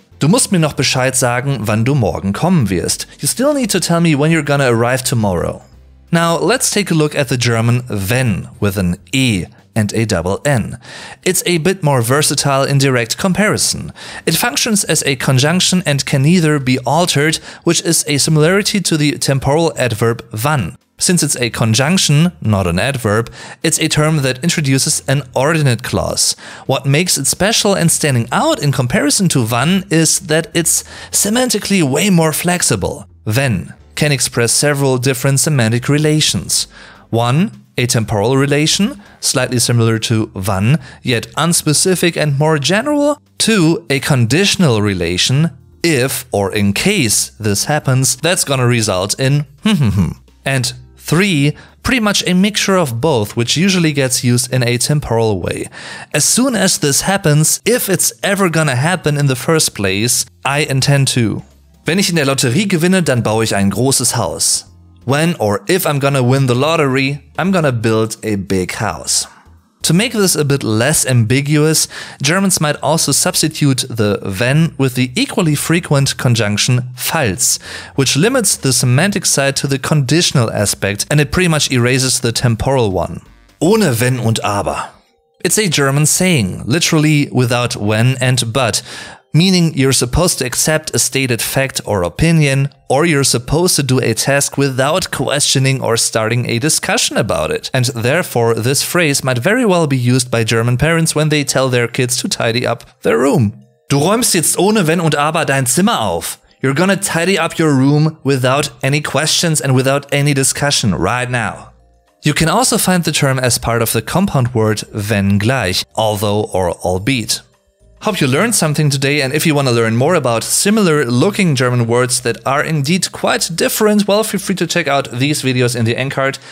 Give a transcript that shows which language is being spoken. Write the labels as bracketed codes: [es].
[de] Du musst mir noch Bescheid sagen, wann du morgen kommen wirst. [en] You still need to tell me when you're gonna arrive tomorrow. Now let's take a look at the German Wenn with an E and a double N. It's a bit more versatile in direct comparison. It functions as a conjunction and can neither be altered, which is a similarity to the temporal adverb Wann. Since it's a conjunction, not an adverb, it's a term that introduces an ordinate clause. What makes it special and standing out in comparison to Wann is that it's semantically way more flexible. Wenn can express several different semantic relations. One, a temporal relation, slightly similar to Wann, yet unspecific and more general. Two, a conditional relation, if or in case this happens, that's gonna result in And three, pretty much a mixture of both, which usually gets used in a temporal way. As soon as this happens, if it's ever gonna happen in the first place, I intend to. [de] Wenn ich in der Lotterie gewinne, dann baue ich ein großes Haus. [en] When or if I'm gonna win the lottery, I'm gonna build a big house. To make this a bit less ambiguous, Germans might also substitute the wenn with the equally frequent conjunction falls, which limits the semantic side to the conditional aspect and it pretty much erases the temporal one. [de] Ohne wenn und aber. [en] It's a German saying, literally without when and but, meaning you're supposed to accept a stated fact or opinion, or you're supposed to do a task without questioning or starting a discussion about it. And therefore, this phrase might very well be used by German parents when they tell their kids to tidy up their room. [de] Du räumst jetzt ohne wenn und aber dein Zimmer auf. [en] You're gonna tidy up your room without any questions and without any discussion right now. You can also find the term as part of the compound word wenngleich, although or albeit. Hope you learned something today, and if you want to learn more about similar looking German words that are indeed quite different, well, feel free to check out these videos in the end card.